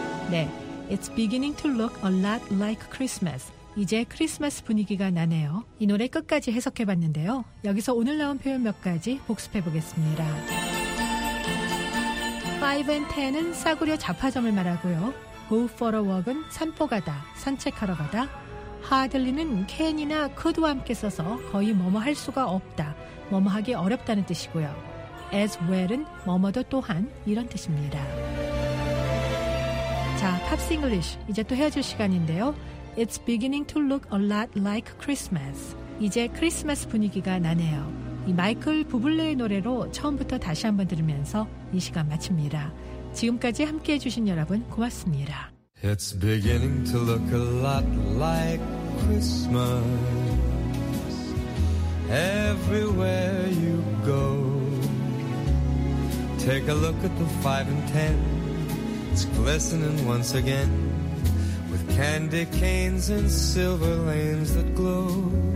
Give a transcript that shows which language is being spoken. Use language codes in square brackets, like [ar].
[en] 네, It's beginning to look a lot like Christmas. [ko] 이제 크리스마스 분위기가 나네요. 이 노래 끝까지 해석해봤는데요. 여기서 오늘 나온 표현 몇 가지 복습해보겠습니다. 5 and 10은 싸구려 잡화점을 말하고요. [en] Go for a walk [ko] 은 산포 가다, 산책하러 가다. Hardly는 can이나 could와 함께 써서 거의 뭐뭐 할 수가 없다, 뭐뭐 하기 어렵다는 뜻이고요. As well은 뭐뭐도 또한 이런 뜻입니다. 자, Pops English 이제 또 헤어질 시간인데요. [en] It's beginning to look a lot like Christmas. [ko] 이제 크리스마스 분위기가 나네요. 이 마이클 부블레의 노래로 처음부터 다시 한번 들으면서 이 시간 마칩니다. 지금까지 함께해 주신 여러분 고맙습니다. [en] It's beginning to look a lot like Christmas everywhere you go. Take a look at the 5 and 10. It's glistening once again with candy canes and silver lanes that glow.